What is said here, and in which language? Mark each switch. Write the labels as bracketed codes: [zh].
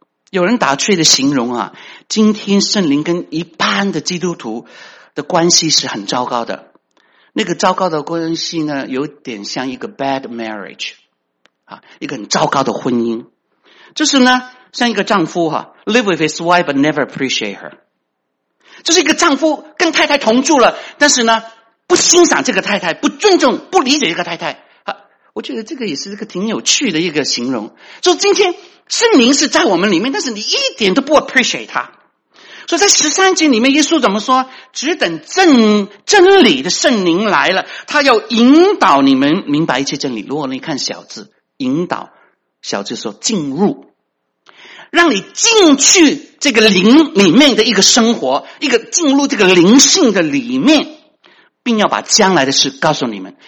[zh] 有人打趣的形容啊，今天圣灵跟一般的基督徒的关系是很糟糕的，那个糟糕的关系呢，有点像一个 [en] bad marriage， [zh] 啊，一个很糟糕的婚姻。就是呢，像一个丈夫哈 [en] ，live with his wife but never appreciate her。 [zh] 就是一个丈夫跟太太同住了，但是呢，不欣赏这个太太，不尊重，不理解这个太太。啊，我觉得这个也是一个挺有趣的一个形容。就今天圣灵是在我们里面，但是你一点都不 appreciate 他。所以在十三节里面耶稣怎么说，只等真理的圣灵来了，他要引导你们明白一切真理。如果你看小字引导，小字说进入，让你进去这个灵里面的一个生活，一个进入这个灵性的里面，并要把将来的事告诉你们。